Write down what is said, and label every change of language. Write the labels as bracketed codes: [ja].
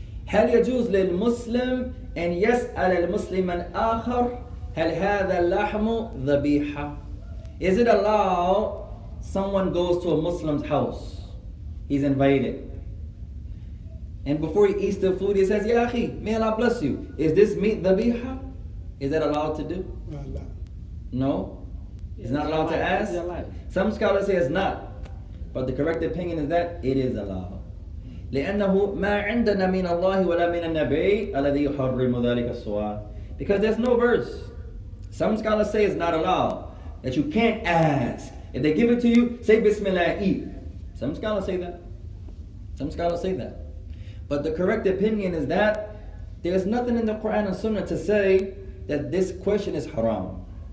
[ar] هل يجوز للمسلم أن يسأل المسلم آخر هل هذا اللحم ذبيحة؟ [en] Is it allowed someone goes to a Muslim's house, he's invited, and before he eats the food, he says, Ya Akhi, may Allah bless you, is this meat ذبيحة? Is that allowed to do? No, it's not allowed to ask? Some scholars say it's not, but the correct opinion is that it is allowed. [ar] لأنه ما عندنا من الله ولا من النبي الذي يحرم ذلك السؤال. [en] Because there's no verse. Some scholars say it's not allowed, that you can't ask. If they give it to you, say Bismillah, eat. Some scholars say that. Some scholars say that. But the correct opinion is that there's nothing in the Quran and Sunnah to say that this question is haram.